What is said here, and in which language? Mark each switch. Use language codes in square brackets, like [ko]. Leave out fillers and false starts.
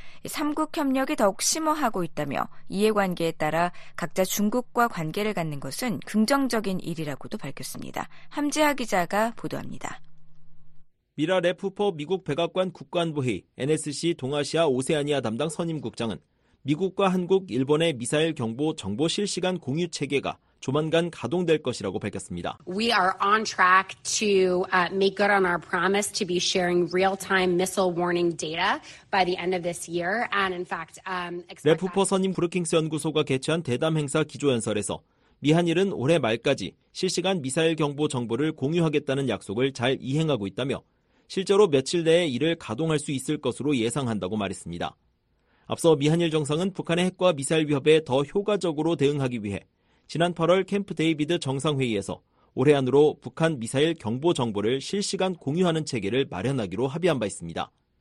[ko] 3국 협력이 더욱 심화하고 있다며 이해관계에 따라 각자 중국과 관계를 갖는 것은 긍정적인 일이라고도 밝혔습니다. 함지하 기자가 보도합니다. 미라 레프퍼 미국 백악관 국관보위 NSC 동아시아 오세아니아 담당 선임국장은 미국과 한국, 일본의 미사일 경보 정보 실시간 공유 체계가 조만간 가동될 것이라고 밝혔습니다. [en] We are on track to make good on our promise to be sharing real-time missile warning data by the end of this year. And in fact, [ko] 레프퍼 선임 브루킹스 연구소가 개최한 대담 행사 기조 연설에서 미한일은 올해 말까지 실시간 미사일 경보 정보를 공유하겠다는 약속을 잘 이행하고 있다며 실제로 며칠 내에 이를 가동할 수 있을 것으로 예상한다고 말했습니다. 앞서 미한일 정상은 북한의 핵과 미사일 위협에 더 효과적으로 대응하기 위해 지난 8월 캠프 데이비드 정상회의에서 올해 안으로 북한 미사일 경보 정보를 실시간 공유하는 체계를 마련하기로 합의한 바 있습니다.